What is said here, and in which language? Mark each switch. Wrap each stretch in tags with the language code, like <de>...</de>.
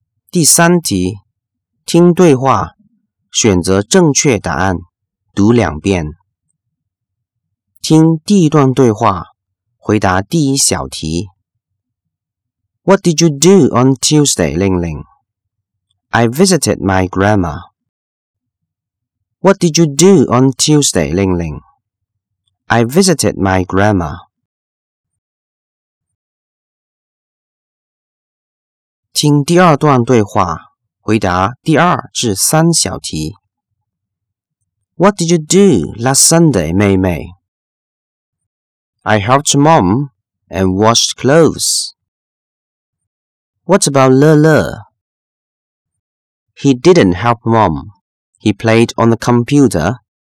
<zh>第三题，听对话，选择正确答案，读两遍。听第一段对话，回答第一小题。</zh> <en>What did you do on Tuesday, Ling Ling? I visited my grandma. What did you do on Tuesday, Ling Ling? I visited my grandma.</en> <zh>听第二段对话，回答第二至三小题。</zh> <en>What did you do last Sunday, Mei Mei? I helped mom and washed clothes. What about Le Le? He didn't help mom. He played on the computer.</en>